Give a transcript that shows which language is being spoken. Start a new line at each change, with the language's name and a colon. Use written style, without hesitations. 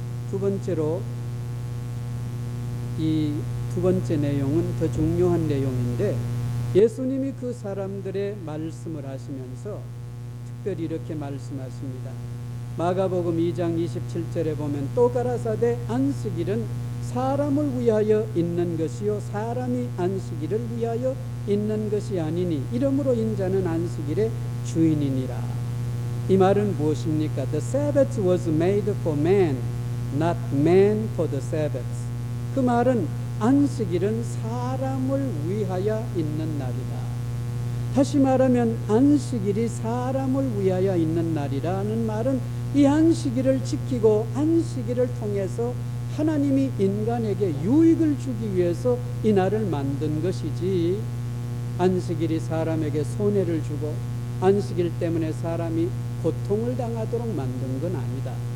Korean: 두 번째로 이 두 번째 내용은 더 중요한 내용인데 예수님이 그 사람들의 말씀을 하시면서 특별히 이렇게 말씀하십니다. 마가복음 2장 27절에 보면 또 가라사대 안식일은 사람을 위하여 있는 것이요 사람이 안식일을 위하여 있는 것이 아니니 이러므로 인자는 안식일의 주인이니라. 이 말은 무엇입니까?
English: The Sabbath was made for man, not man for the Sabbath.
Korean: 그 말은 안식일은 사람을 위하여 있는 날이다. 다시 말하면 안식일이 사람을 위하여 있는 날이라는 말은 이 안식일을 지키고 안식일을 통해서 하나님이 인간에게 유익을 주기 위해서 이 날을 만든 것이지 안식일이 사람에게 손해를 주고 안식일 때문에 사람이 고통을 당하도록 만든 건 아니다.